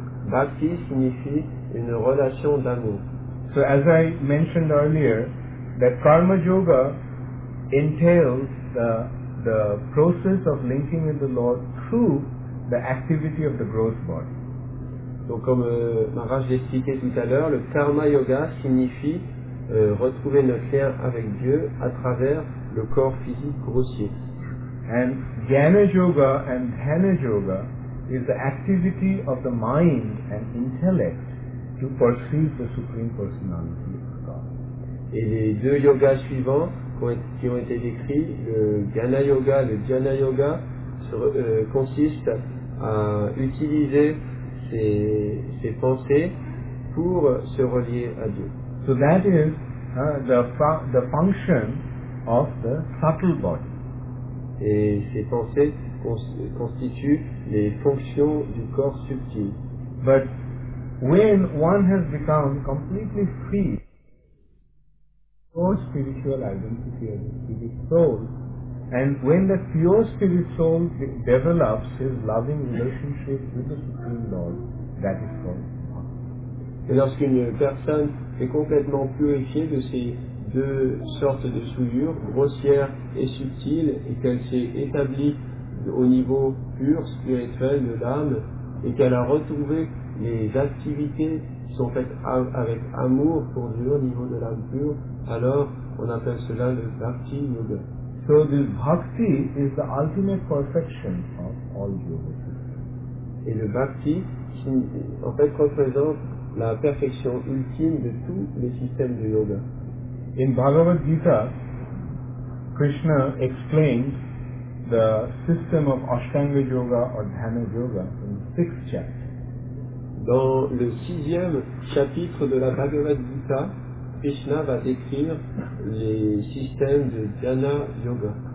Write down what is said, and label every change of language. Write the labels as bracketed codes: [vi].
[fr] Bhakti signifie une relation d'amour. [en] So as I mentioned earlier, that karma yoga entails the process of linking with the Lord through the activity of the gross body. [fr] Donc comme Maharaj l'a expliqué tout à l'heure, le karma yoga signifie retrouver notre lien avec Dieu à travers le corps physique grossier. [en] And jnana yoga and dhyana yoga is the activity of the mind and intellect to perceive the Supreme Personality of God. [fr] Et les deux yogas suivants qui ont été décrits, le jnana yoga et le dhyana yoga, consistent à utiliser ses pensées pour se relier à Dieu. [en] So that is the function of the subtle body. [fr] Et ces pensées constituent les fonctions du corps subtil. [en] But when one has become completely free for spiritual identity as a spirit soul, and when the pure spirit soul develops his loving relationship with the Supreme Lord, that is called bhakti. [fr] Et lorsqu'une personne est complètement purifiée de ces deux sortes de souillures, grossières et subtiles, et qu'elle s'est établie au niveau pur, spirituel de l'âme, et qu'elle a retrouvé les activités qui sont faites avec amour pour Dieu au niveau de l'âme pure, alors on appelle cela le bhakti yoga. [en] So this bhakti is the ultimate perfection of all yoga systems. [fr] Et le bhakti, en fait, représente la perfection ultime de tous les systèmes de yoga. [en] In Bhagavad Gita, Krishna explains the system of Ashtanga Yoga or Dhyana Yoga in the sixth chapter. [fr] Dans le sixième chapitre de la Bhagavad Gita, Krishna va décrire les systèmes de Dhyana Yoga.